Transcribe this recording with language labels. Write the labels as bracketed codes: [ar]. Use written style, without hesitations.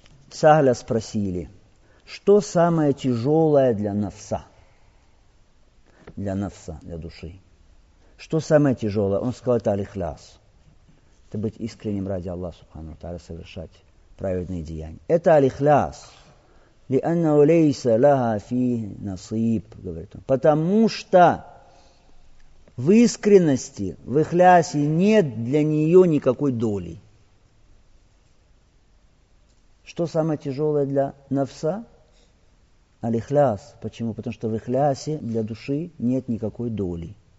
[ru] Сахля спросили, что самое тяжелое для нафса? Для нафса, для души. Что самое тяжелое? Он сказал, это аль-ихляс. Это быть искренним ради Аллаха Субхану ва Тааля, совершать праведные деяния. Это аль-ихляс. [ar] لِأَنَّهُ لَيْسَ لَهَا فِيهِ نَصِيبٌ, [ru] говорит он. Потому что в искренности, в ихлясе нет для нее никакой доли. Что самое тяжелое для нафса? Алихляс. Почему? Потому что в ихлясе для души нет никакой доли.